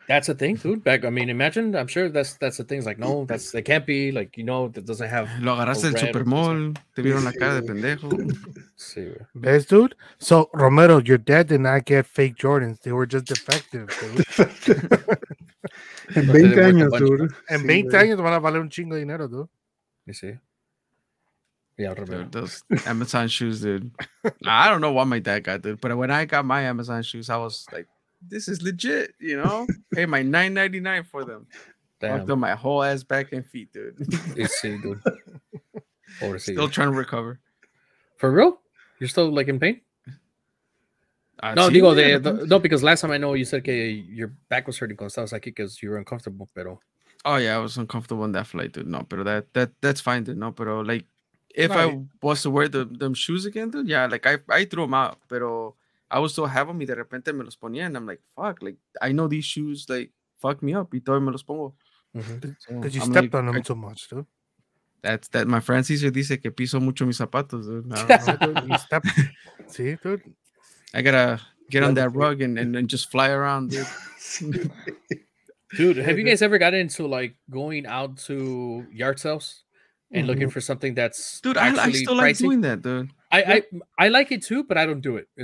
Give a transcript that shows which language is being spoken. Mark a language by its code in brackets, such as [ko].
[en] That's a thing, dude. Back, I mean, imagine, I'm sure that's the thing. It's like, no, that's, it can't be, like, you know, that doesn't have. [es] Lo agarraste del supermall, te vieron la cara de pendejo. [en] Best, dude. So, Romero, your dad did not get fake Jordans. They were just defective, dude. [es] En 20 años, dude. En 20 años van a valer un chingo de dinero, dude. [en] You see? Yeah, dude, those Amazon shoes, dude. I don't know what my dad got, dude. But when I got my Amazon shoes, I was like, this is legit, you know? Pay my $9.99 for them. Damn. Walked on my whole ass back and feet, dude. You see, dude. Or see, still trying to recover. For real? You're still, like, in pain? No, because last time I know you said okay, your back was hurting because you were uncomfortable, [es] pero... [en] Oh, yeah, I was uncomfortable on that flight, dude. No, but that's fine, dude. No, but like, if I was to wear them shoes again, dude, yeah, like, I threw them out, but I was still having me. [es] De repente me los ponía, [en] and I'm like, fuck, like, I know these shoes, like, fuck me up. [es] Y todavía me los pongo. [en] Because You I'm stepped like, on them too much, dude. That's that. My friend [es] Caesar dice que piso mucho mis zapatos, dude. [en] No, you step. See, dude. I gotta get on that rug and just fly around, dude. Dude, have you guys ever gotten into, like, going out to yard sales and looking for something that's actually pricey? Dude, I still like doing that, dude. I like it, too, but I don't do it.